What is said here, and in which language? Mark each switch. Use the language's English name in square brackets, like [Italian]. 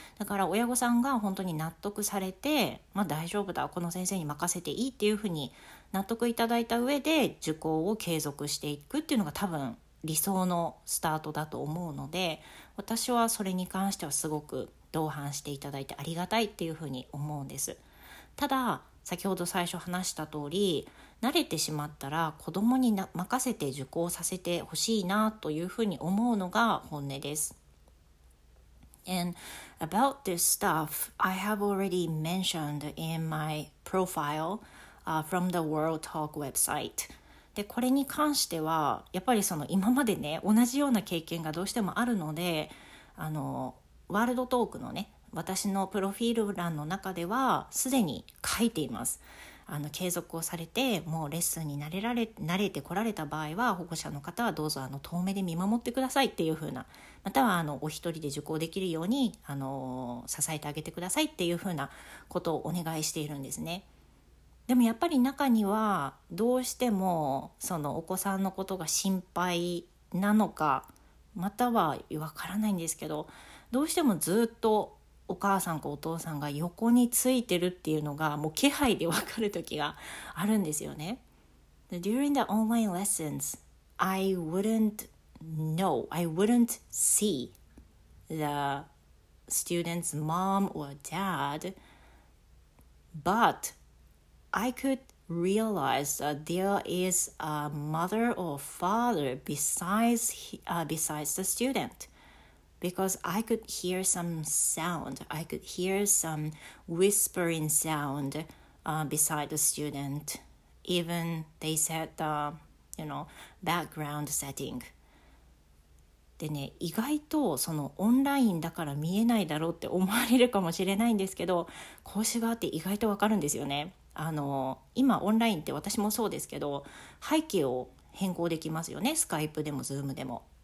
[Japanese] だから親御さんが本当に納得されて、まあ大丈夫だ、この先生に任せていいっていうふうに納得いただいた上で受講を継続していくっていうのが多分理想のスタートだと思うので、私はそれに関してはすごく同伴していただいてありがたいっていうふうに思うんです。ただ先ほど最初話した通り、慣れてしまったら子どもに任せて受講させてほしいなというふうに思うのが本音です。 [English] And about this stuff, I have already mentioned in my profile, from the World Talk website. [Japanese] で、これに関しては、やっぱりその今までね、同じような経験がどうしてもあるので、ワールドトークのね、私のプロフィール欄の中ではすでに書いています。継続をされてもうレッスンに慣れてこられた場合は、保護者の方はどうぞ遠目で見守ってくださいっていう風な、またはお一人で受講できるように支えてあげてくださいっていう風なことをお願いしているんですね。でもやっぱり中にはどうしてもそのお子さんのことが心配なのか、またはわからないんですけど、どうしてもずっとお母さんかお父さんが横についてるっていうのがもう気配で分かる時があるんですよね。 [English] During the online lessons, I wouldn't see the student's mom or dad, but I could realize that there is a mother or father besides the student. Because I could hear some sound, I could hear some whispering sound beside the student, even they set the, background setting. [Japanese] でね、意外とそのオンラインだから見えないだろうって思われるかもしれないんですけど、講師側って意外とわかるんですよね。今オンラインって私もそうですけど、背景を変更できますよね、スカイプでもズームでも。